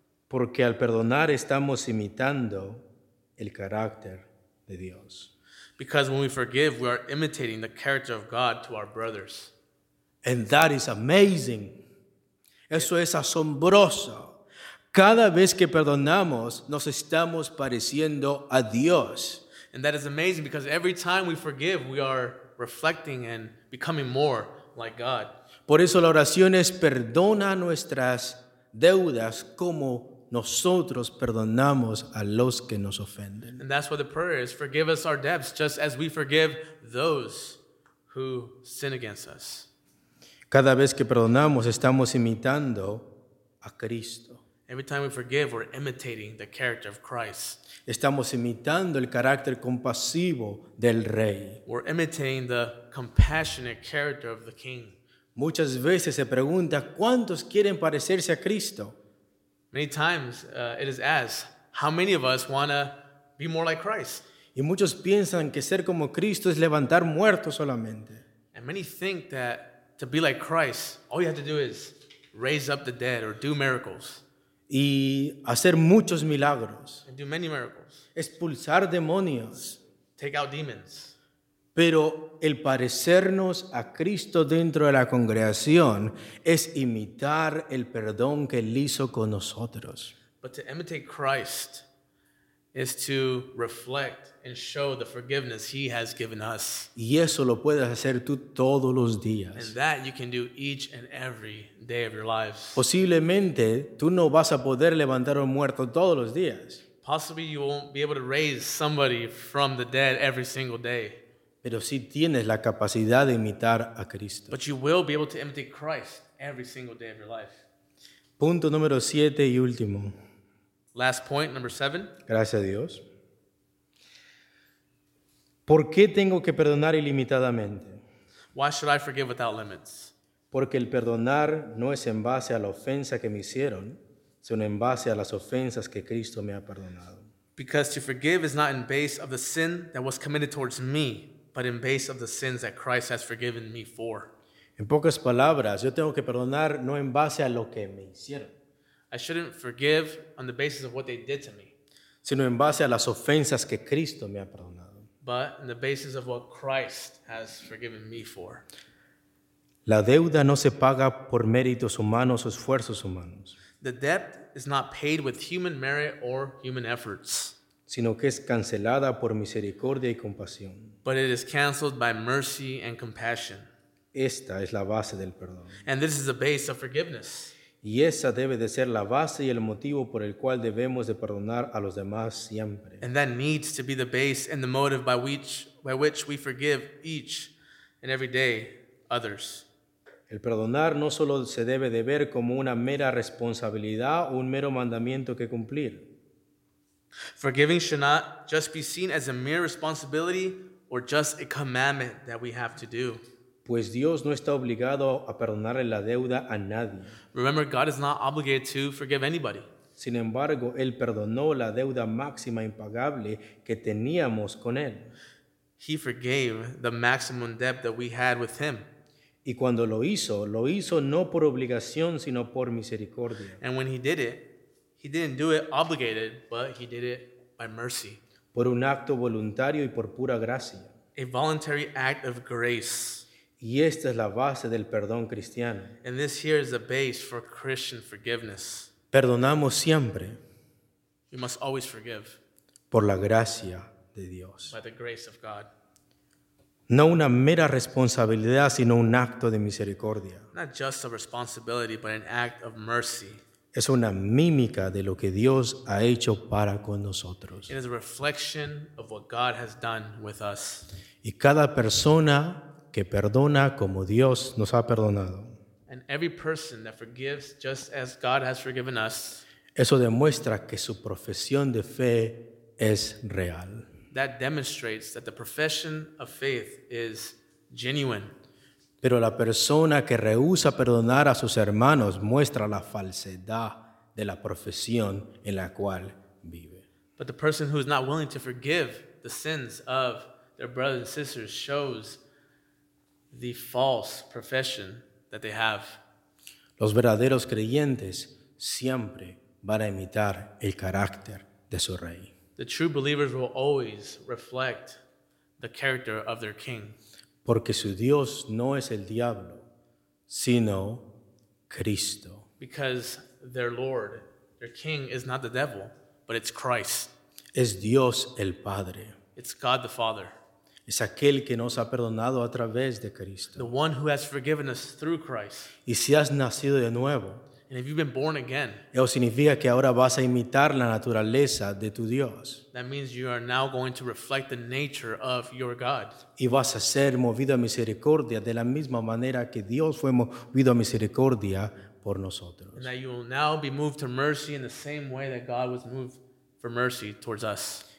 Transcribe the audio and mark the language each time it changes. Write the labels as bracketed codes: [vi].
[es] Porque al perdonar estamos imitando el carácter de Dios. [en] Because when we forgive, we are imitating the character of God to our brothers. And that is amazing. [es] Eso es asombroso. Cada vez que perdonamos, nos estamos pareciendo a Dios. [en] And that is amazing because every time we forgive, we are reflecting and becoming more like God. [es] Por eso la oración es perdona nuestras deudas como nosotros perdonamos a los que nos ofenden. [en] And that's what the prayer is. Forgive us our debts just as we forgive those who sin against us. [es] Cada vez que perdonamos estamos imitando a Cristo. [en] Every time we forgive, we're imitating the character of Christ. [es] Estamos imitando el carácter compasivo del Rey. [en] We're imitating the compassionate character of the King. [es] Muchas veces se pregunta, ¿cuántos quieren parecerse a Cristo? [en] Many times it is asked, how many of us want to be more like Christ? [es] Y muchos piensan que ser como Cristo es levantar muertos solamente. [en] And many think that to be like Christ, all you have to do is raise up the dead or do miracles. [es] Y hacer muchos milagros. [en] And do many miracles. [es] Expulsar demonios. [en] Take out demons. [es] Pero el parecernos a Cristo dentro de la congregación es imitar el perdón que Él hizo con nosotros. [en] But to imitate Christ is to reflect and show the forgiveness He has given us. [es] Y eso lo puedes hacer tú todos los días. [en] And that you can do each and every day of your lives. [es] Posiblemente tú no vas a poder levantar un muerto todos los días. [en] Possibly you won't be able to raise somebody from the dead every single day. [es] Pero sí tienes la capacidad de imitar a Cristo. [en] But you will be able to imitate Christ every single day of your life. [es] Punto número 7 y último. [en] Last point, number 7. [es] Gracias a Dios. ¿Por qué tengo que perdonar ilimitadamente? [en] Why should I forgive without limits? [es] Porque el perdonar no es en base a la ofensa que me hicieron, sino en base a las ofensas que Cristo me ha perdonado. [en] Because to forgive is not in base of the sin that was committed towards me, but in base of the sins that Christ has forgiven me for. [es] En pocas palabras, yo tengo que perdonar no en base a lo que me hicieron. [en] I shouldn't forgive on the basis of what they did to me. [es] Sino en base a las ofensas que Cristo me ha perdonado. [en] But on the basis of what Christ has forgiven me for. [es] La deuda no se paga por méritos humanos o esfuerzos humanos. [en] The debt is not paid with human merit or human efforts. [es] Sino que es cancelada por misericordia y compasión. [en] But it is canceled by mercy and compassion. [es] Esta es la base del perdón. [en] And this is the base of forgiveness. [es] Y esa debe de ser la base y el motivo por el cual debemos de perdonar a los demás siempre. [en] And that needs to be the base and the motive by which we forgive each and every day others. [es] El perdonar no solo se debe de ver como una mera responsabilidad o un mero mandamiento que cumplir. [en] Forgiving should not just be seen as a mere responsibility or just a commandment that we have to do. [es] Pues Dios no está obligado a perdonarle la deuda a nadie. [en] Remember, God is not obligated to forgive anybody. [es] Sin embargo, Él perdonó la deuda máxima impagable que teníamos con Él. [en] He forgave the maximum debt that we had with Him. [es] Y cuando lo hizo no por obligación, sino por misericordia. [en] And when He did it, He didn't do it obligated, but He did it by mercy. [es] Por un acto voluntario y por pura gracia. [en] A voluntary act of grace. [es] Y esta es la base del perdón cristiano. [en] And this here is the base for Christian forgiveness. [es] Perdonamos siempre. [en] We must always forgive. [es] Por la gracia de Dios. [en] By the grace of God. [es] No una mera responsabilidad, sino un acto de misericordia. [en] Not just a responsibility, but an act of mercy. [es] Es una mímica de lo que Dios ha hecho para con nosotros. [en] It is a reflection of what God has done with us. [es] Y cada persona que perdona como Dios nos ha perdonado. [en] And every person that forgives just as God has forgiven us. [es] Eso demuestra que su profesión de fe es real. [en] That demonstrates that the profession of faith is genuine. [es] Pero la persona que rehúsa perdonar a sus hermanos muestra la falsedad de la profesión en la cual vive. [en] But the person who is not willing to forgive the sins of their brothers and sisters shows the false profession that they have. [es] Los verdaderos creyentes siempre van a imitar el carácter de su rey. [en] The true believers will always reflect the character of their king. [es] Porque su Dios no es el diablo, sino Cristo. [en] Because their Lord, their King, is not the devil, but it's Christ. [es] Es Dios el Padre. [en] It's God the Father. [es] Es aquel que nos ha perdonado a través de Cristo. [en] The one who has forgiven us through Christ. [es] Y si has nacido de nuevo. [en] And if you've been born again. [es] Eso significa que ahora vas a imitar la naturaleza de tu Dios. [en] That means you are now going to reflect the nature of your God. [es] Y vas a ser movido a misericordia de la misma manera que Dios fue movido a misericordia por nosotros. [en] And that you will now be moved to mercy in the same way that God was moved for mercy towards us.